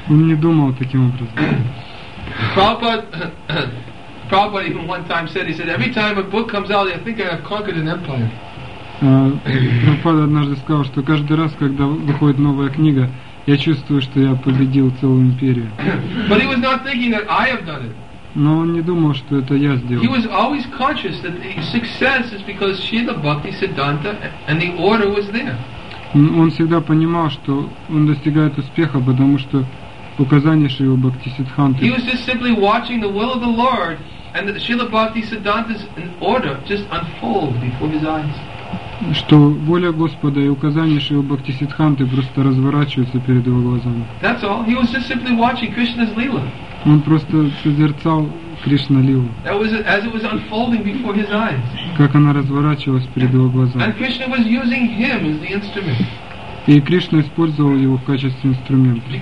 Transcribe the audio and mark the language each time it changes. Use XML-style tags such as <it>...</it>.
<ru>Он не думал таким образом.</ru> <en>Prabhupada even one time said, he said, every time a book comes out, I think I have conquered an empire.</en> <ru>Прабхупада однажды сказал, что каждый раз, когда выходит новая книга, я чувствую, что я победил целую империю.</ru> <en>But he was not thinking that I have done it.</en> <ru>Но он не думал, что это я сделал.</ru> <en>He was always conscious that success is because Srila Bhaktisiddhanta and the order was there.</en> <ru>Он всегда понимал, что он достигает успеха, потому что указание Шрила Бхактисиддханты.</ru> <en>He was just simply watching the will of the Lord and Srila Bhaktisiddhanta's order just unfold before his eyes.</en> <ru>что воля Господа и указания Шрилы Бхактисиддханты просто разворачиваются перед его глазами.</ru> <en>That's all. He was just simply watching Krishna's lila.</en> <ru>Он просто созерцал Кришна-лилу.</ru> <en>That was as it was unfolding before his eyes.</en> <ru>Как она разворачивалась перед его глазами.</ru> <en>And Krishna was using him as the instrument.</en> <ru>И Кришна использовал его в качестве инструмента.</ru>